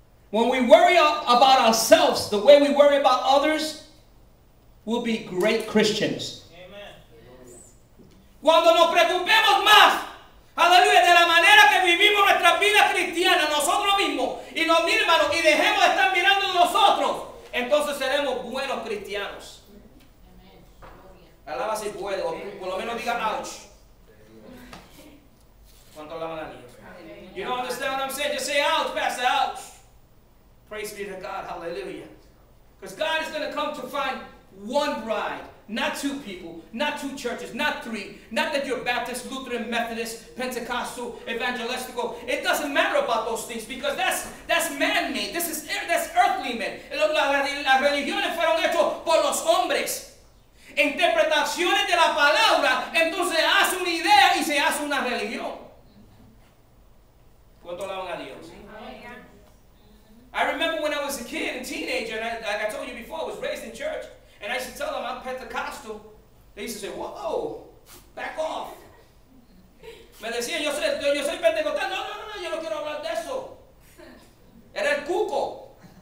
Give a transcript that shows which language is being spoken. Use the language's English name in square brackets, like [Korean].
[English] When we worry about ourselves the way we worry about others, we'll be great Christians. Amen. [Spanish] Cuando nos preocupemos más, aleluya, de la manera que vivimos nuestra vida cristiana, nosotros mismos, y nos miren, hermano, y dejemos de estar mirando nosotros, entonces seremos buenos cristianos. Alaba si puede, o por lo menos diga, ouch. ¿Cuánto alaban a Dios? [English] You don't understand what I'm saying? Just say, ouch, pastor, ouch. Praise be to God, hallelujah. Because God is going to come to find one bride, not two people, not two churches, not three, not that you're Baptist, Lutheran, Methodist, Pentecostal, Evangelistical. It doesn't matter about those things because that's man-made. That's earthly men. [Spanish] Las religiones fueron hechas por los hombres. Interpretaciones de la palabra, entonces hace una idea y se hace una religión. ¿Cuánto alaban a Dios? [English] I remember when I was a kid and teenager, and like I told you before, I was raised in church. And I used to tell them I'm Pentecostal. They used to say, whoa, back off. [Spanish] Me decían, yo soy Pentecostal. No, yo no quiero hablar de eso. Era el cuco.